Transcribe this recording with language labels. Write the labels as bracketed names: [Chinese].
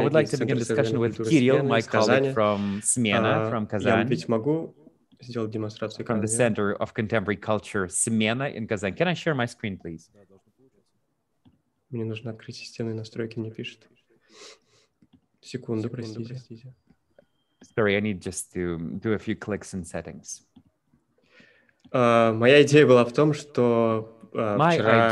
[English] I would like to begin discussion with Кирилл, my colleague from Smena, from Kazan. [Russian] Я ведь могу сделать демонстрацию. [English] From the Center of Contemporary Culture, Smena in Kazan. Can I share my screen, please? [Russian] Мне нужно открыть системные настройки, мне пишет. Секунду, простите. [English] Sorry, I need just to do a few clicks in settings. [Russian] Моя идея была в том, что вчера